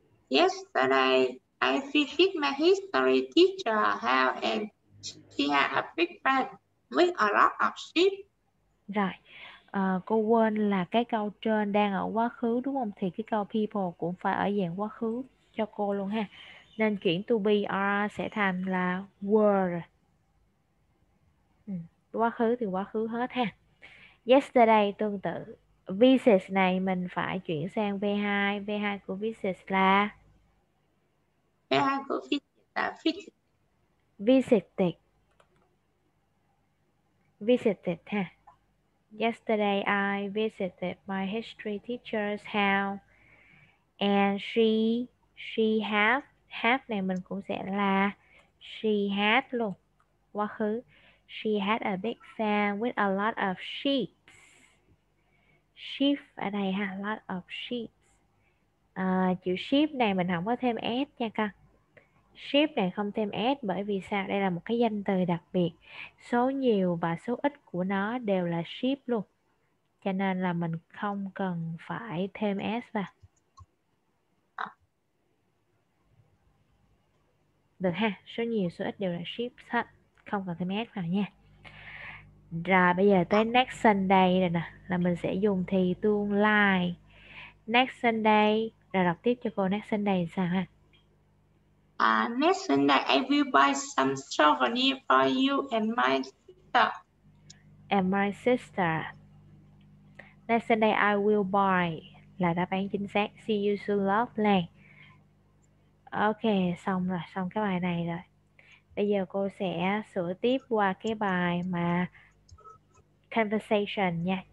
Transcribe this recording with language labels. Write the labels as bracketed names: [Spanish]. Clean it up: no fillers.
[English] Yesterday I visit my history teacher house and she had a big bag with a lot of sheep. Right. [Vietnamese] Cô quên là cái câu trên đang ở quá khứ đúng không? Thì cái câu people cũng phải ở dạng quá khứ cho cô luôn ha. Nên chuyển to be are sẽ thành là were. Quá khứ thì quá khứ hết ha. Yesterday tương tự. Visit này mình phải chuyển sang V2. V2 của visit là? V2 của visit là [English] visited [Vietnamese] ha. [English] Yesterday I visited my history teacher's house and she have [Vietnamese] này mình cũng sẽ là [English] she had [Vietnamese] luôn, quá khứ. [English] She had a big fan with a lot of sheep. [Vietnamese] Sheep ở đây ha, lot of sheep. Chữ sheep này mình không có thêm s nha con. Sheep này không thêm s bởi vì sao? Đây là một cái danh từ đặc biệt. Số nhiều và số ít của nó đều là sheep luôn. Cho nên là mình không cần phải thêm s vào. Được ha, số nhiều số ít đều là sheep hết, không cần thêm s vào nha. Rồi bây giờ tới [English] next Sunday [Vietnamese] rồi nè, là mình sẽ dùng thì tương lai. [English] Next Sunday, [Vietnamese] rồi đọc tiếp cho cô [English] next Sunday [Vietnamese] sao ha? [English] Next Sunday, I will buy some souvenir for you and my sister. And my sister. Next Sunday I will buy [Vietnamese] là đáp án chính xác. [English] See you soon, love. [Vietnamese] Ok, xong rồi, xong cái bài này rồi. Bây giờ cô sẽ sửa tiếp qua cái bài mà conversation nha.